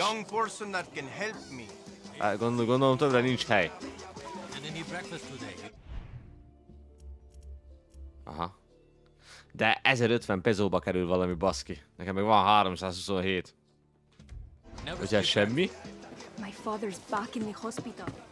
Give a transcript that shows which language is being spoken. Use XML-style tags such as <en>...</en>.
<en>A young person that can help me.</en> <hu>Gondolom többre nincs hely. Aha. De 1050 pezóba kerül valami baszki. Nekem meg van 327. Ugye semmi?</hu> <en>My father's back in the hospital.</en>